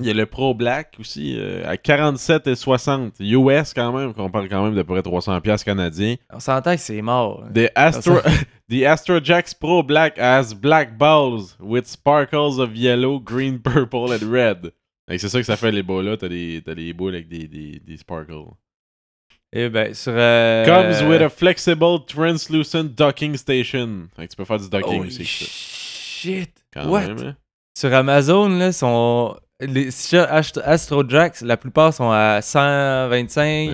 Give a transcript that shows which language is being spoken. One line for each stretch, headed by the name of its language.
French: Il y a le Pro Black aussi, à 47,60 US quand même, qu'on parle quand même de près 300$ canadiens. On s'entend que c'est mort.
English: The Astrojax Pro Black has black balls with sparkles of yellow, green, purple and red.
French: Et c'est ça que ça fait les balles là, t'as les boules avec des sparkles. Et ben, sur.
English: Comes with a flexible translucent docking station.
French: Fait que tu peux faire du docking aussi. Shit! Quand what? Même, hein? Sur Amazon, là, sont. Les Astrojax, la plupart sont à 125.